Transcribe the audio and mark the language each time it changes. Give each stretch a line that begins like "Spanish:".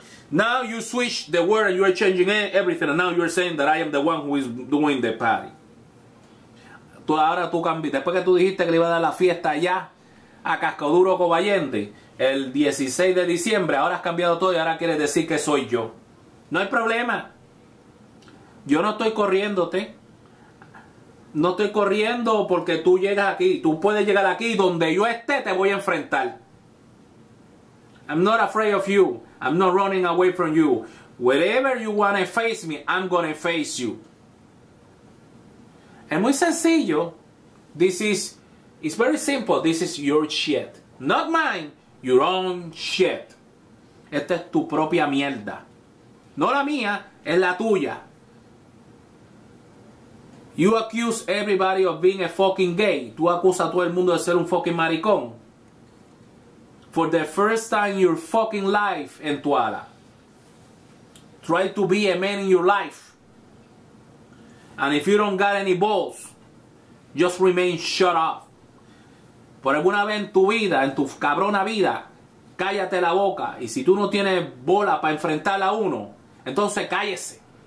English: Now you switch the word and you are changing everything. And now you are saying that I am the one who is doing the party.
Spanish: Tú ahora tú cambiaste. Después que tú dijiste que le iba a dar la fiesta allá a casco duro o Covallende. El 16 de diciembre, ahora has cambiado todo y ahora quieres decir que soy yo. No hay problema. Yo no estoy corriéndote. No estoy corriendo porque tú llegas aquí. Tú puedes llegar aquí donde yo esté, te voy a enfrentar.
English: I'm not afraid of you. I'm not running away from you. Wherever you want to face me, I'm going to face you.
Spanish: Es muy sencillo.
English: It's very simple. This is your shit. Not mine. your own shit.
Spanish: Esta es tu propia mierda. No la mía, es la tuya.
English: You accuse everybody of being a fucking gay.
Spanish: Tú acusas a todo el mundo de ser un fucking maricón.
English: For the first time in your fucking life, Entuada. Try to be a man in your life. And if you don't got any balls, just remain shut up.
Spanish: Por alguna vez en tu vida, en tu cabrona vida, cállate la boca. Y si tú no tienes bola para enfrentar a uno, entonces cállese.